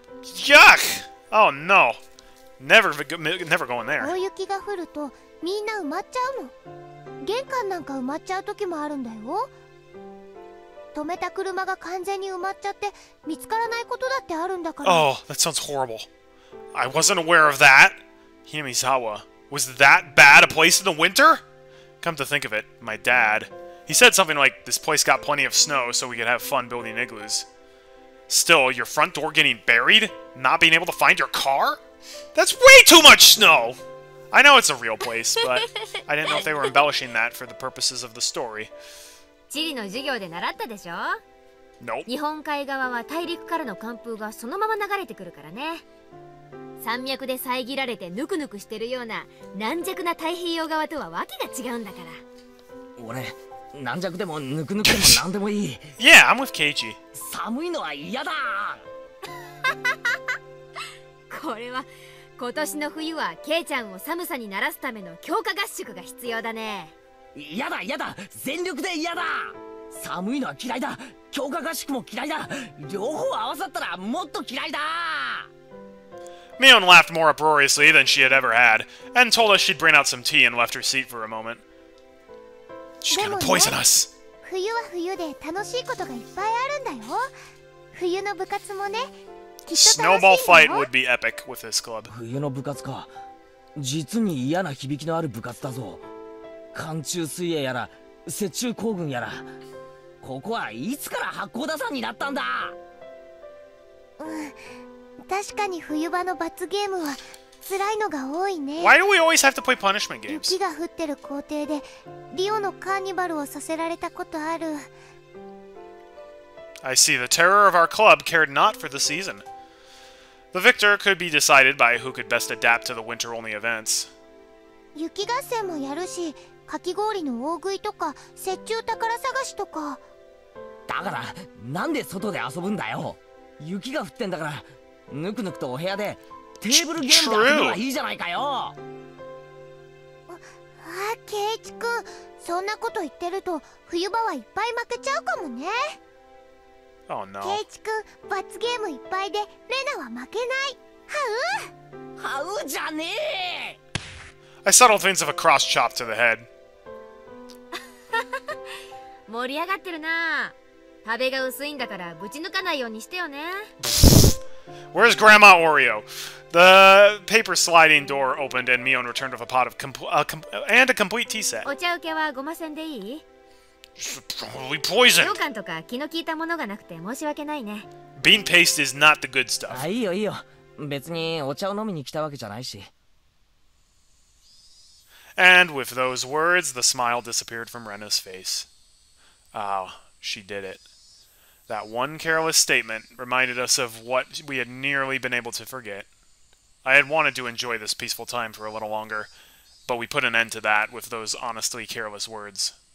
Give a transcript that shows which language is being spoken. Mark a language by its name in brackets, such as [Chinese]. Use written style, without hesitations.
[English] Yuck! Oh no! Never going there. [Japanese] 大雪が降るとみんな埋まっちゃうの。玄関なんか埋まっちゃう時もあるんだよ。止めた車が完全に埋まっちゃって見つからないことだってあるんだから。 [English] Oh, that sounds horrible. I wasn't aware of that. Himizawa, was that bad a place in the winter? Come to think of it, my dad, he said something like this place got plenty of snow so we could have fun building igloos. Still, your front door getting buried, not being able to find your car? That's way too much snow. I know it's a real place, but I didn't know if they were embellishing that for the purposes of the story. [Japanese] 地理の授業で習ったでしょ、 [English] nope. [Japanese] 日本海側は大陸からの寒風がそのまま流れてくるからね。山脈で遮られてぬくぬくしてるような軟弱な太平洋側とはわけが違うんだから。俺、軟弱でもぬくぬくでもなんでもいい。 [English] Yeah, I'm with Keiichi. [Japanese] 寒いのは嫌だ。これは今年の冬はケイちゃんを寒さに慣らすための強化合宿が必要だね。嫌だ嫌だ、全力で嫌だ。寒いのは嫌いだ、強化合宿も嫌いだ、両方合わさったらもっと嫌いだ。 [English] Mion laughed more uproariously than she had ever had, and told us she'd bring out some tea and left her seat for a moment. She's gonna poison us! [Japanese] 冬は冬で楽しいことがいっぱいあるんだよ。冬の部活もね、 [English] Snowball fight would be epic with this club. [Japanese] 冬の部活か、実に嫌な響きのある部活だぞ。寒中水泳やら、雪中行軍やら、ここはいつから八甲田山になったんだ。うん、確かに冬場の罰ゲームは辛いのが多いね。 [English] Why do we always have to play punishment games? [Japanese] 雪が降ってる校庭でリオのカーニバルをさせられたことある。 [English] I see the terror of our club cared not for the season. The victor could be decided by who could best adapt to the winter-only events. [Japanese] 雪合戦もやるし。かき氷の大食いとか、雪中宝探しとか。だから、なんで外で遊ぶんだよ。雪が降ってんだから、ぬくぬくとお部屋でテーブルゲームで遊ぶのはいいじゃないかよ。あ、ケイチ君、そんなこと言ってると、冬場はいっぱい負けちゃうかもね。 [English] Oh, no. [Japanese] ケイチ君、罰ゲームいっぱいで、レナは負けない。 [English] ハウ？ [Japanese] ハウじゃねえ。 [English] I settled things with a cross chop to the head. [Japanese] 盛り上がってるな。壁が薄いんだからぶち抜かないようにしてよね。 [English] Where's Grandma Oreo? The paper sliding door opened and Mion returned with a pot of and a complete tea set. [Japanese] お茶受けはごませんでいい？ [English] Probably poisoned. [Japanese] 羊羹とか気の利いたものがなくて申し訳ないね。 [English] Bean paste is not the good stuff. [Japanese] あ、いいよいいよ。別にお茶を飲みに来たわけじゃないし。 [English] And with those words, the smile disappeared from Rena's face. Ah, she did it. That one careless statement reminded us of what we had nearly been able to forget. I had wanted to enjoy this peaceful time for a little longer, but we put an end to that with those honestly careless words.